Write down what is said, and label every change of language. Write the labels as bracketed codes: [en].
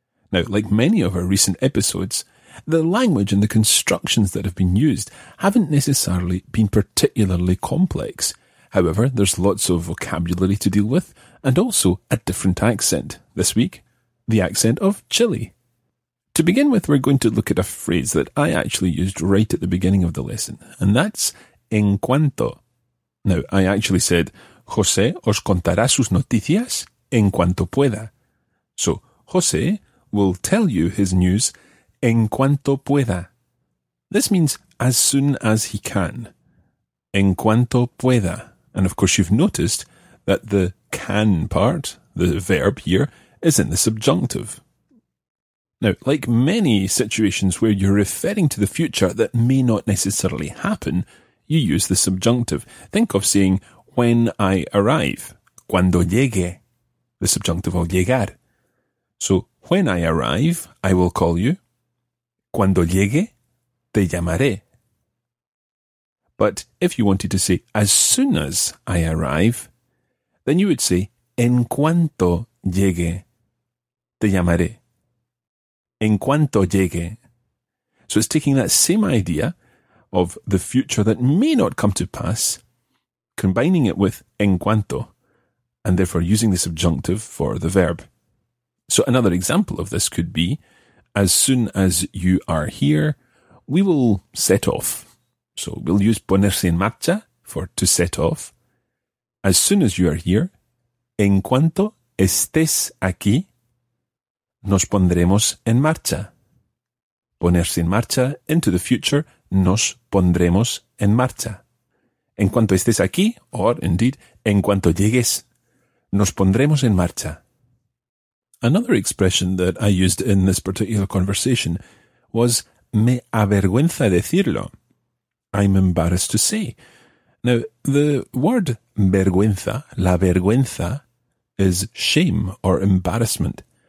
[en] Now, like many of our recent episodes, the language and the constructions that have been used haven't necessarily been particularly complex. However, there's lots of vocabulary to deal with, and also a different accent. This week, the accent of Chile. To begin with, we're going to look at a phrase that I actually used right at the beginning of the lesson, and that's en cuanto. Now, I actually said, [es] José os contará sus noticias en cuanto pueda. So, José [en] will tell you his news [es] en cuanto pueda. [en] This means as soon as he can. [es] En cuanto pueda. [en] And of course you've noticed that the can part, the verb here, is in the subjunctive. Now, like many situations where you're referring to the future that may not necessarily happen, you use the subjunctive. Think of saying, when I arrive. [es] Cuando llegue. [en] The subjunctive of llegar. So, when I arrive, I will call you. [es] Cuando llegue, te llamaré. [en] But if you wanted to say, as soon as I arrive, then you would say, [es] en cuanto llegue, te llamaré. En cuanto llegue. [en] So it's taking that same idea of the future that may not come to pass, combining it with en cuanto, and therefore using the subjunctive for the verb. So another example of this could be, as soon as you are here, we will set off. So we'll use ponerse en marcha for to set off. As soon as you are here, [es] en cuanto estés aquí, nos pondremos en marcha. Ponerse en marcha, [en] into the future, [es] nos pondremos en marcha. En cuanto estés aquí, [en] or indeed, [es] en cuanto llegues, nos pondremos en marcha. [en] Another expression that I used in this particular conversation was [es] me avergüenza decirlo. [en] I'm embarrassed to say. Now, the word vergüenza, la vergüenza, is shame or embarrassment.